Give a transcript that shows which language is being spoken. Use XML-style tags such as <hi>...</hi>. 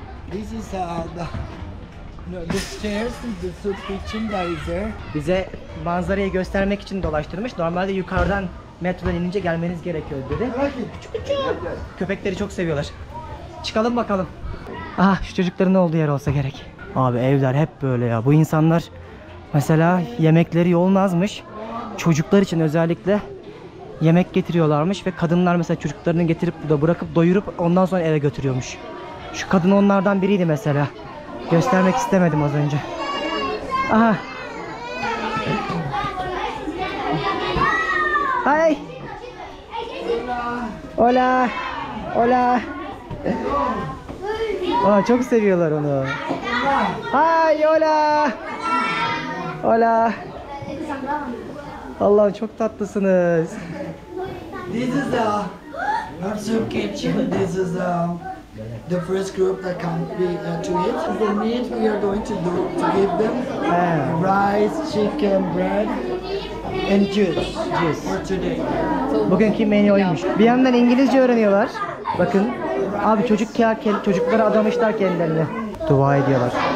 <en>This is the stairs is the soup kitchen that is there.</en> <tr>Bize manzarayı göstermek için dolaştırmış. Normalde yukarıdan metrodan inince gelmeniz gerekiyor dedi. Köpekleri çok seviyorlar. Çıkalım bakalım. Ah, şu çocukların olduğu yer olsa gerek. Abi evler hep böyle ya. Bu insanlar mesela yemekleri yolmazmış. Çocuklar için özellikle yemek getiriyorlarmış. Ve kadınlar mesela çocuklarını getirip burada bırakıp doyurup ondan sonra eve götürüyormuş. Şu kadın onlardan biriydi mesela. Göstermek istemedim az önce. Aha. Hey.</tr> <es>Hola. Hola.</es> <tr>Aa, çok seviyorlar onu.</tr> <es>Hay hola. Hola.</es> <tr>Allah'ım çok tatlısınız.</tr> <en>This is the our soup kitchen. This is the first group that can be to eat. The meat we are going to do to give them rice, chicken, bread and juice for today.</en> <tr>Bugünkü menüymüş. Bir yandan İngilizce öğreniyorlar. Bakın. Abi çocuklara adamışlar kendilerini. Dua ediyorlar.</tr>